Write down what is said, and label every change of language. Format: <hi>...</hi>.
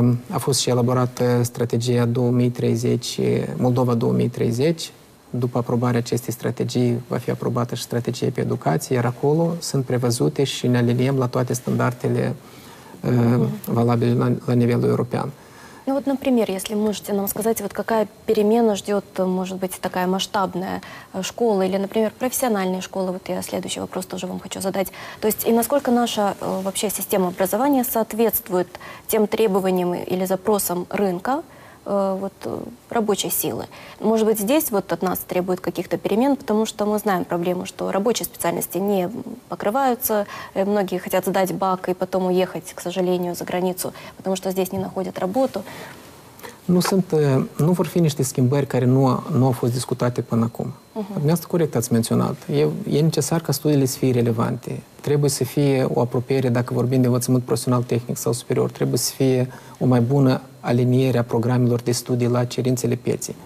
<ro>A fost și elaborată strategia 2030, Moldova 2030. După aprobarea acestei strategii va fi aprobată și strategia pe educație, iar acolo sunt prevăzute și ne aliniem la toate standardele valabile la nivelul european.</ro> <ru>Ну вот, например, если можете нам сказать, вот какая перемена ждет, может быть, такая масштабная школа или, например, профессиональные школы, вот я следующий вопрос тоже вам хочу задать. То есть и насколько наша вообще система образования соответствует тем требованиям или запросам рынка вот, рабочей силы? Может быть, здесь вот от нас требует каких-то перемен, потому что мы знаем проблему, что рабочие специальности не покрываются, многие хотят сдать БАК и потом уехать, к сожалению, за границу, потому что здесь не находят работу.</ru> <ro>Nu sunt, nu vor fi niște schimbări care nu au fost discutate până acum. Dumneavoastră corect ați menționat. E necesar ca studiile să fie relevante. Trebuie să fie o apropiere, dacă vorbim de învățământ profesional, tehnic sau superior, trebuie să fie o mai bună aliniere a programelor de studii la cerințele pieței.</ro>